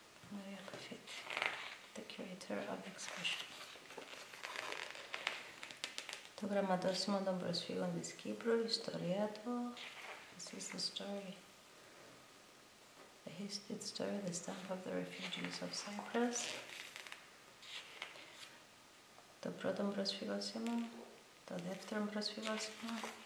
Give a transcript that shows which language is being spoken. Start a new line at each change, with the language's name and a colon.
English: Maria Kofit, the curator of exhibition.
Greek: Το γραμματόσημο των προσφύγων της Κύπρου, ιστορία του.
English: This is the story. The history story, the stamp of the refugees of Cyprus.
Greek: Το πρώτο προσφυγόσημο, το δεύτερο προσφυγόσημο.